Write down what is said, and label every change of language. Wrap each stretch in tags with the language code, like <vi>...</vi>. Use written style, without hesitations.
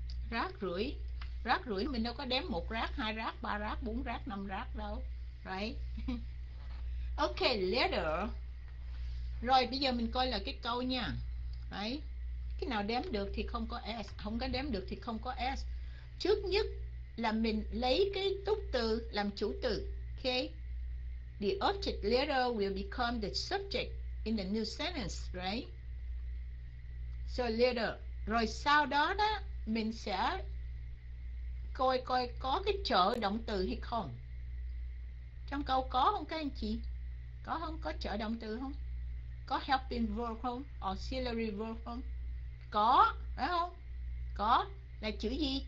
<vi>Rác rưởi. Rác rưởi mình đâu có đếm một rác, hai rác, ba rác, bốn rác, năm rác đâu. Right? Ok, letter. Rồi bây giờ mình coi là cái câu nha. Đấy. Cái nào đếm được thì không có s, không có đếm được thì không có s. Trước nhất là mình lấy cái túc từ làm chủ từ. Ok.</vi> <en>The object letter will become the subject in the new sentence, right? So letter.</en> <vi>Rồi sau đó đó mình sẽ coi coi có cái trợ động từ hay không. Trong câu có không các anh chị? Có không? Có trợ động từ không? Có helping verb không? Auxiliary verb không? Có, phải không? Có là chữ gì?</vi>